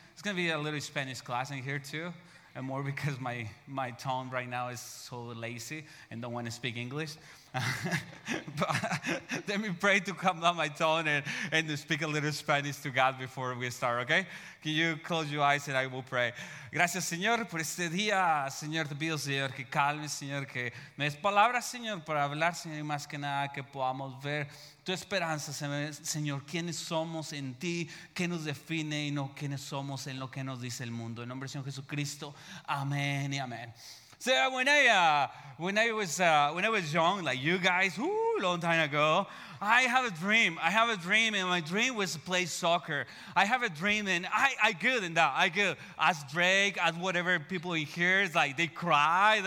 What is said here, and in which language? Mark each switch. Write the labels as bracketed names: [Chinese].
[English] It's going to be a little Spanish class in here too, and more because my tone right now is so lazy and don't want to speak English. But let me pray to calm down my tone and to speak a little Spanish to God before we start, okay? Can you close your eyes and I will pray. [Spanish] Gracias, Señor, por este día. Señor, te pido, Señor, que calmes, Señor, que me des palabras, Señor, para hablar, Señor, y más que nada que podamos ver tu esperanza, Señor, quiénes somos en ti, qué nos define y no quiénes somos en lo que nos dice el mundo. En nombre del Señor Jesucristo, amén y amén. [English] So when I was young, like you guys, long time ago, I have a dream. I have a dream, and my dream was to play soccer. I have a dream, and I good in that. I good. As Drake, as whatever people hear, it's like they cry.